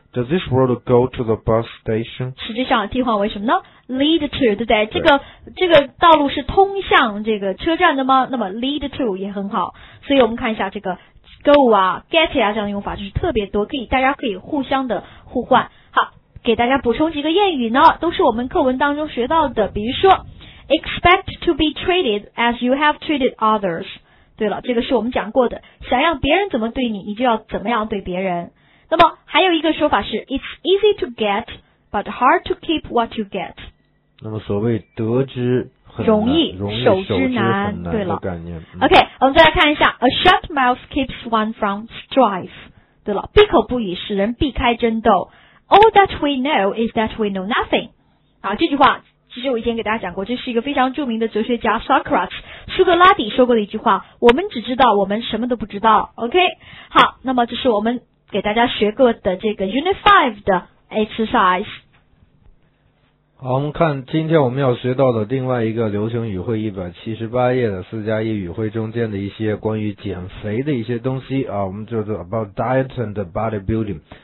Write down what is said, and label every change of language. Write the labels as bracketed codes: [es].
[en] Does this road go to the bus station? [zh] 实际上替换为什么呢 ？ [en] Lead to， [zh] 对不对？这个道路是通向这个车站的吗？那么 [en] lead to [zh] 也很好。所以我们看一下这个 go 啊、get 啊这样的用法就是特别多，可以大家可以互相的互换。好，给大家补充几个谚语呢，都是我们课文当中学到的。比如说 [en] ，expect to be treated as you have treated others。 [zh] 对了，这个是我们讲过的，想要别人怎么对你，你就要怎么样对别人。那么还有一个说法是 [en] It's easy to get, but hard to keep what you get. [zh] 那么所谓得之很难，容易守之难，对了。概念。 [en] OK， [zh] 我们再来看一下 [en] ，A shut mouth keeps one from strife. [zh] 对了，闭口不语使人避开争斗。 [en] All that we know is that we know nothing. [zh] 好，这句话其实我以前给大家讲过，这是一个非常著名的哲学家 Socrates 苏格拉底说过的一句话：我们只知道我们什么都不知道。 OK， 好，那么这是我们。给大家学过的这个 Unit 5的 exercise。好，我们看今天我们要学到的另外一个流行语汇178页的4+1语汇中间的一些关于减肥的一些东西啊，我们叫做 [en] about diet and bodybuilding。